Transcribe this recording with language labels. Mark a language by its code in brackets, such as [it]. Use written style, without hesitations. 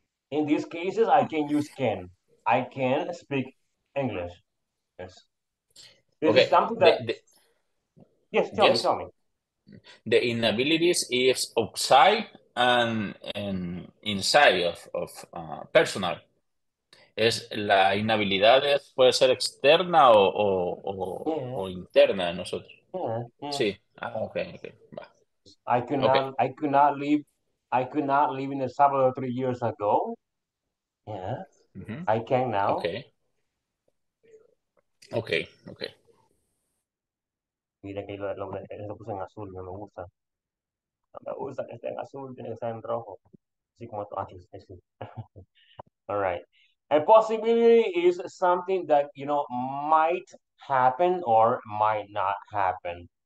[en] In these cases, I can use can. I can speak English. Yes. The inabilities is outside and inside of personal. [es] Es la inhabilidad puede ser externa o interna de nosotros. [en] Yeah. [es] Sí. Ah, okay. Va. [en] I could not live in El Salvador 3 years ago. Yeah. Mm-hmm. I can now. Okay. [es] Mira que lo puse en azul, no me gusta. No me gusta que esté en azul, tiene que estar en rojo. Así como esto. Ah, sí. [en] All right. A possibility is something that, you know, might happen or might not happen.